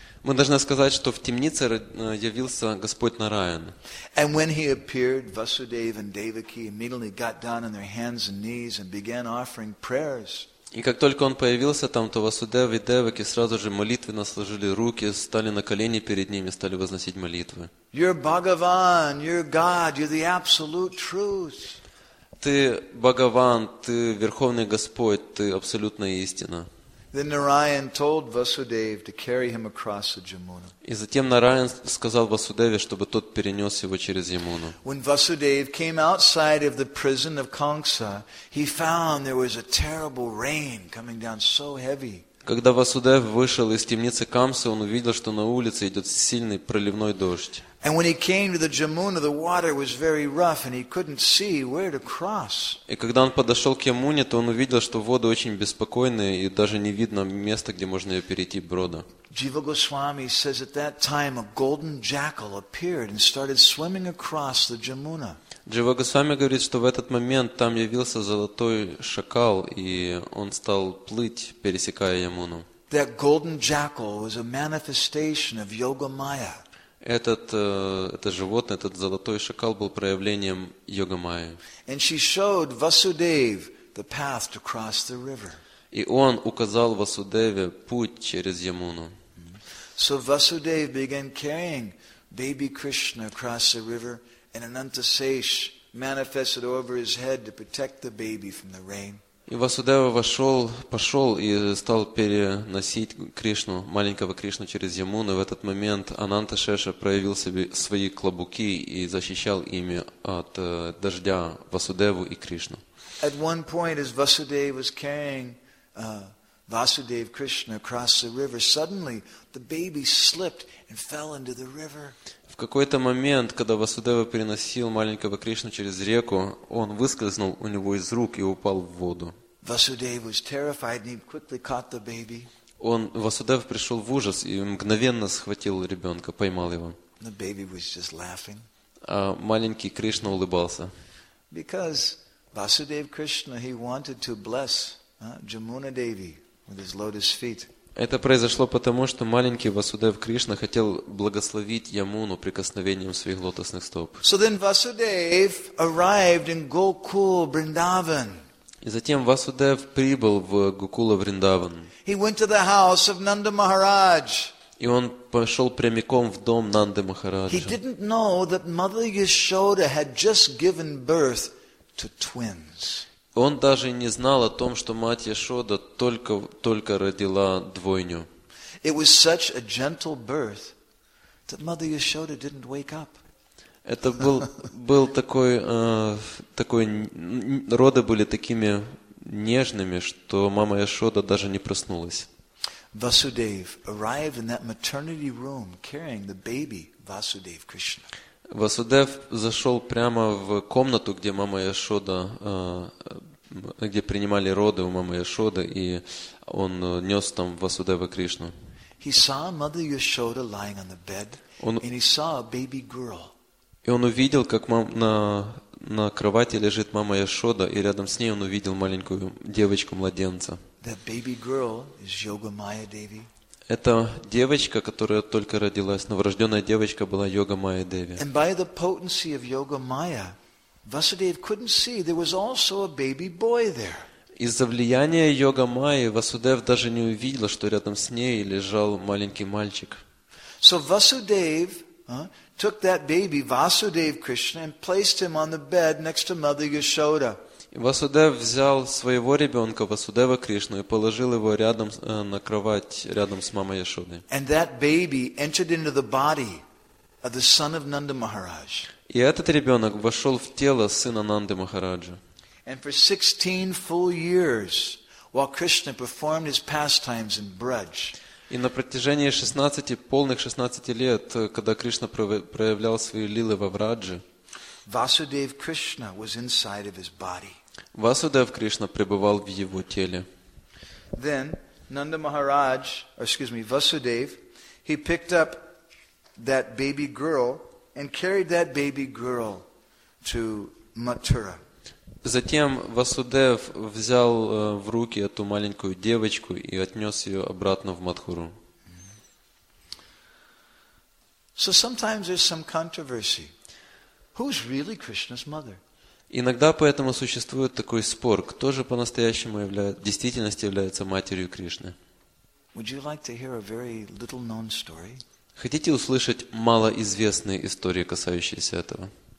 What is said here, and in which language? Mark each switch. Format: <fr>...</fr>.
<ru>Мы должны сказать, что в темнице явился Господь Нараян.</ru> <en>And when he appeared, Vasudeva and Devaki immediately got down on their hands and knees and began offering prayers.</en> <ru>И как только он появился там, то Васудева и Деваки сразу же молитвенно сложили руки, стали на колени перед ними, стали возносить молитвы.</ru> <en>You're Bhagavan, you're God, you're the absolute truth.</en> <ru>Ты Бхагаван, ты Верховный Господь, ты абсолютная истина.</ru> <en>Then Narayan told Vasudev to carry him across the Jamuna.</en> <ru>И затем Нараян сказал Васудеве, чтобы тот перенес его через Ямуну.</ru> <en>When Vasudev came outside of the prison of Kangsa, he found there was a terrible rain coming down so heavy.</en> <ru>Когда Васудев вышел из темницы Камсы, он увидел, что на улице идет сильный проливной дождь.</ru> <en>And when he came to the Jamuna, the water was very rough, and he couldn't see where to cross.</en> <ru>И когда он подошел к Ямуне, то он увидел, что воды очень беспокойные, и даже не видно места, где можно ее перейти брода.</ru> <en>Jiva Goswami says at that time a golden jackal appeared and started swimming across the Jamuna.</en> <ru>Jiva Goswami говорит, что в этот момент там явился золотой шакал, и он стал плыть, пересекая Ямуну.</ru> <en>That golden jackal was a manifestation of Yoga Maya.</en> <ru>Это животное, этот золотой шакал был проявлением Йогамайи.</ru> <en>And she showed Vasudev the path to cross the river.</en> <ru>И он указал Васудеве путь через Ямуну.</ru> <en>So Vasudev began carrying baby Krishna across the river, and Anantasesh manifested over his head to protect the baby from the rain.</en> <ru>И Васудева пошел и стал переносить Кришну, маленького Кришну через Ямуну. В этот момент Ананта-Шеша проявил себе свои клобуки и защищал ими от дождя Васудеву и Кришну.</ru> <en>At one point, as Vasudev was carrying Vasudev Krishna across the river, suddenly the baby slipped and fell into the river.</en> <ru>В какой-то момент, когда Васудева переносил маленького Кришну через реку, он выскользнул у него из рук и упал в воду.</ru> <en>Vasudev was terrified and he quickly caught the baby.</en> <ru>Васудев пришел в ужас и мгновенно схватил ребенка, поймал его.</ru> <en>The baby was just laughing.</en> <ru>А маленький Кришна улыбался.</ru> <en>Because Vasudev Krishna, he wanted to bless Jamuna Devi with his lotus feet.</en> <ru>Это произошло потому, что маленький Васудев Кришна хотел благословить Ямуну прикосновением своих лотосных стоп.</ru> <en>So then Vasudev arrived in Gokul, Vrindavan.</en> <ru>И затем Васудев прибыл в Гокула Вриндаван.</ru> <en>He went to the house of Nanda Maharaj.</en> <ru>И он пошел прямиком в дом Нанды Махараджа.</ru> <en>He didn't know that Mother Yashoda had just given birth to twins.</en> <ru>Он даже не знал о том, что мать Яшода только родила двойню.</ru> <en>It was such a gentle birth that Mother Yashoda didn't wake up.</en> <ru>Это был такой роды были такими нежными, что мама Яшода даже не проснулась.</ru> <en>Vasudev arrived in that maternity room carrying the baby Vasudev Krishna.</en> <ru>Vasudev зашел прямо в комнату, где мама Яшода где принимали роды у мамы Яшоды, и он нес там Васудева Кришну.</ru> <en>He saw Mother Yashoda lying on the bed, and he saw a baby girl.</en> <ru>И он увидел, как на кровати лежит мама Яшода, и рядом с ней он увидел маленькую девочку-младенца.</ru> <en>That baby girl is Yoga Maya Devi.</en> <ru>Это девочка, которая только родилась, новорожденная девочка была Йога Майя Деви.</ru> <en>And by the potency of Yoga Maya, Vasudev couldn't see. There was also a baby boy there.</en> <ru>Из-за влияния Йога Майи Васудев даже не увидел, что рядом с ней лежал маленький мальчик.</ru> <en>So Vasudev took that baby Vasudev Krishna and placed him on the bed next to Mother Yashoda.</en> <ru>Васудев взял своего ребенка Васудева Кришну и положил его рядом на кровать рядом с мамой Яшодой.</ru> <en>And that baby entered into the body of the son of Nanda Maharaj.</en> <ru>И этот ребенок вошел в тело сына Нанды Махараджа.</ru> <en>And for 16 full years, while Krishna performed his pastimes in Braj.</en> <ru>И на протяжении 16 лет, когда Кришна проявлял свои лилы во Врадже,</ru> <en>Vasudev Krishna was inside of his body.</en> <ru>Vasudev Krishna пребывал в его теле.</ru> <en>Then Nanda Maharaj, or excuse me, Vasudev, he picked up that baby girl and carried that baby girl to Mathura.</en> <ru>Затем Васудев взял в руки эту маленькую девочку и отнес ее обратно в Матхуру.</ru> <en>So sometimes there's some controversy. Who's really Krishna's mother?</en> <ru>Иногда поэтому существует такой спор, кто же по-настоящему является, в действительности является матерью Кришны.</ru> <en>Would you like to hear a very little known story?</en> <ru>Хотите услышать малоизвестные истории, касающиеся этого?</ru>